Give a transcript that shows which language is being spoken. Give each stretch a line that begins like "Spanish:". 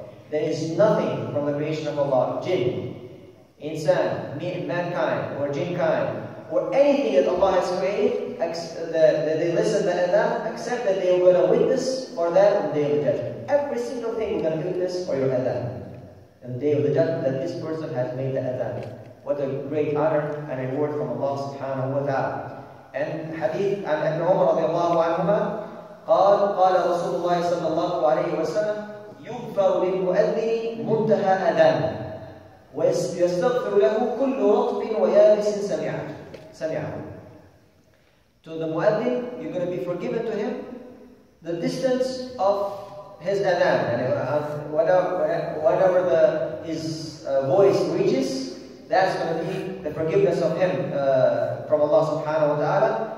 English: There is nothing from the creation of Allah, jinn, insan, mankind, or jinnkind, or anything that Allah has created, that they listen to the adhan, except that they are going to witness for that on the day of the judgment. Every single thing you're going to witness for your adhan, on the day of the judgment, that this person has made the adhan. What a great honor and reward from Allah subhanahu wa ta'ala. And hadith an Ibn Umar radiallahu anhuma,
Arabic: قال رسول الله صلى الله عليه وسلم يغفر للمؤذن منتهى أذان ويستغفر له كل رطب ويابس سمعه.
English: To the muaddin, you're going to be forgiven to him the distance of his adhan, and whatever his voice reaches, that's going to be the forgiveness of him from Allah subhanahu wa ta'ala.